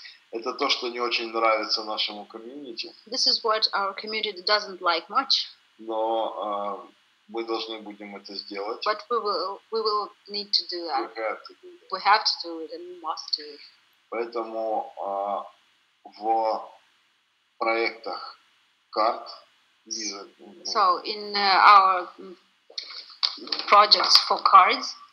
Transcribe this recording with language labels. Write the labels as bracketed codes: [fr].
[ru] Это то, что не очень нравится нашему комьюнити. [en] This is what our community doesn't like much. [ru] Но мы должны будем это сделать. [en] But we will need to do that. We have to do it and must do it. [ru] Поэтому в проектах карт Visa. [en] So in our projects for cards.